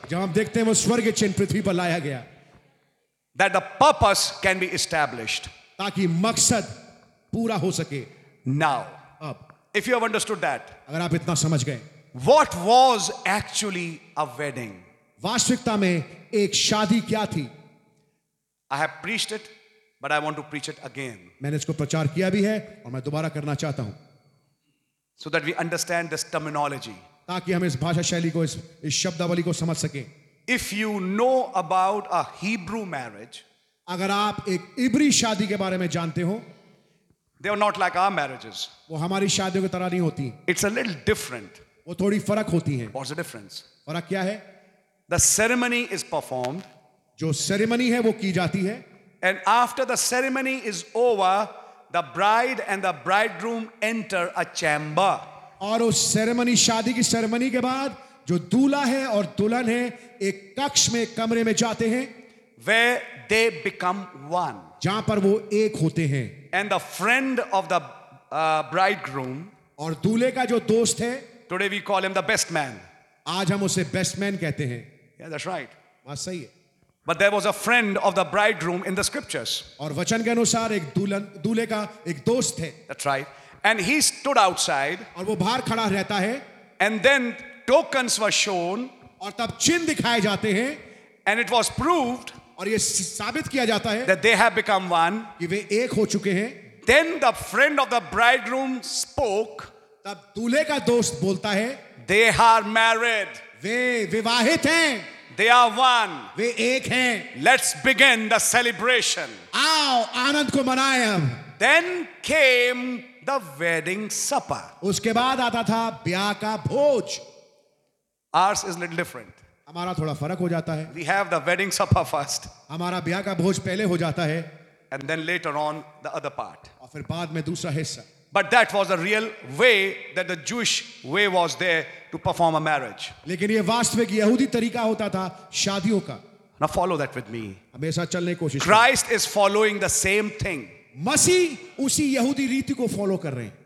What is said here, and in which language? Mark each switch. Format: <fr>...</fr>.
<hi>जब हम देखते हैं वो स्वर्ग चिन्ह पृथ्वी पर लाया गया.</hi> <en>That the purpose can be established.</en> <hi>ताकि मकसद पूरा हो सके.</hi> <en>Now.</en> <hi>अब.</hi> <en>If you have understood that.</en> <hi>अगर आप इतना समझ गए.</hi> <en>What was actually a wedding?</en> <hi>वास्तविकता में एक शादी क्या थी?</hi> <en>I have preached it, but I want to preach it again.</en> <hi>मैंने इसको प्रचार किया भी है और मैं दोबारा करना चाहता हूं.</hi> <en>So that we understand this terminology.</en> <hi>ताकि हम इस भाषा शैली को इस शब्दावली को समझ सकें.</hi> <en>If you know about a Hebrew marriage,</en> <hi>अगर आप एक इब्री शादी के बारे में जानते हो.</hi> <en>They are not like our marriages.</en> <hi>वो हमारी शादियों की तरह नहीं होती.</hi> <en>It's a little different.</en> <hi>वो थोड़ी फर्क होती हैं.</hi> <en>What's the difference?</en> <hi>फर्क क्या है?</hi> <en>The ceremony is performed.</en> <hi>जो सेरेमनी है वो की जाती है.</hi> <en>And after the ceremony is over the bride and the bridegroom enter a chamber.</en> <hi>और उस सेरेमनी शादी की सेरेमनी के बाद जो दूल्हा है और दुल्हन है एक कक्ष में कमरे में जाते हैं.</hi> <en>Where they become one.</en> <hi>जहां पर वो एक होते हैं.</hi> <en>And the friend of the bridegroom.</en> <hi>और दूल्हे का जो दोस्त है.</hi> <en>Today we call him the best man.</en> <hi>आज हम उसे best man कहते हैं.</hi> <en>Yeah, that's right.</en> <hi>वह सही है.</hi> <en>But there was a friend of the bridegroom in the scriptures.</en> <hi>और वचन के अनुसार एक दुल्हन दूल्हे का एक दोस्त है.</hi> <en>That's right. And he stood outside.</en> <hi>और वो बाहर खड़ा रहता है.</hi> <en>And then tokens were shown.</en> <hi>और तब चिन्ह दिखाए जाते हैं.</hi> <en>And it was proved</en> <hi>और ये साबित किया जाता है</hi> <en>that they have become one</en> <hi>कि वे एक हो चुके हैं.</hi> <en>Then the friend of the bridegroom spoke</en> <hi>तब दूल्हे का दोस्त बोलता है</hi> <en>they are married</en> <hi>वे विवाहित हैं.</hi> <en>They are one</en> <hi>वे एक हैं.</hi> <en>Let's begin the celebration</en> <hi>आओ आनंद को मनाएं.</hi> <en>Then came the wedding supper</en> <hi>उसके बाद आता था ब्याह का भोज.</hi> <en>Ours is a little different</en> <hi>हमारा थोड़ा फर्क हो जाता है.</hi> <en>We have the wedding supper first.</en> <hi>हमारा ब्याह का भोज पहले हो जाता है.</hi> <en>And then later on the other part.</en> <hi>और फिर बाद में दूसरा हिस्सा.</hi> <en>But that was the real way that the Jewish way was there to perform a marriage.</en> <hi>लेकिन ये वास्तविक यहूदी तरीका होता था शादियों का.</hi> <en>Now follow that with me.</en> <hi>हमेशा चलने कोशिश.</hi> <en>Christ is following the same thing.</en> <hi>मसीह उसी यहूदी रीति को फॉलो कर रहे हैं.</hi>